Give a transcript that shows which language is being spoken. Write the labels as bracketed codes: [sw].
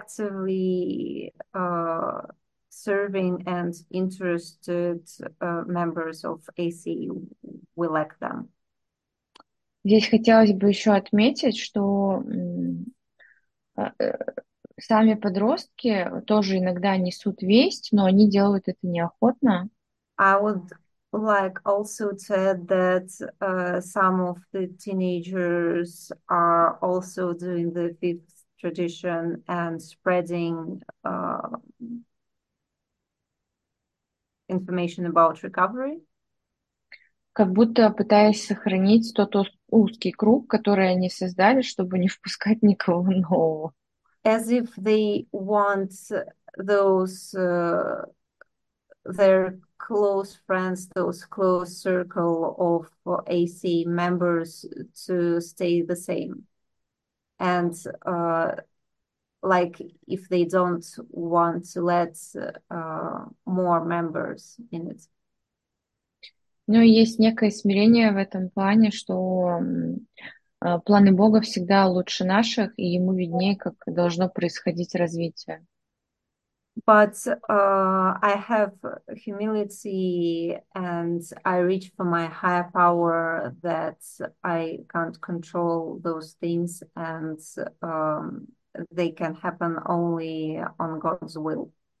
[en] Actively serving and interested members of AC, we lack them. [ru] Здесь хотелось бы еще отметить, что сами подростки тоже иногда несут весть, но они делают это неохотно. [en] I would like also to add that some of the teenagers are also doing the fifth tradition and spreading information about recovery. [ru] Как будто пытаясь сохранить тот узкий круг, который они создали, чтобы не впускать никого нового. [en] As if they want those their close friends, those close circle of AC members to stay the same. And like if they don't want to let more members in it. [ru] Но есть некое смирение в этом плане, что планы Бога всегда лучше наших, и ему виднее, как должно происходить развитие. [en] But I have humility and I reach for my higher power that I can't control those things, and they can happen only on God's will.